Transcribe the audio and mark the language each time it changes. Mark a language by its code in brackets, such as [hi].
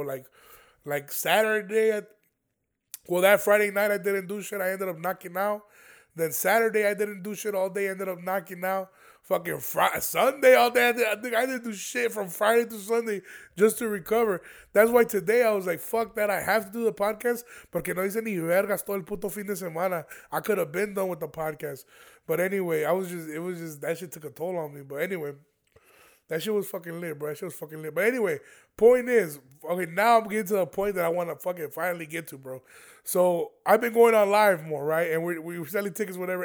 [en] Like Saturday, that Friday night I didn't do shit. I ended up knocking out. Then Saturday I didn't do shit all day. Ended up knocking out. Fucking Sunday all day. I didn't do shit from Friday to Sunday just to recover. That's why today I was like, fuck that. I have to do the podcast. [es] Porque no hice ni vergas todo el puto fin de semana. [en] I could have been done with the podcast. But anyway, it was just, that shit took a toll on me. But anyway, that shit was fucking lit, bro. That shit was fucking lit. But anyway, point is, okay, now I'm getting to the point that I want to fucking finally get to, bro. So I've been going on live more, right? And we're selling tickets, whatever.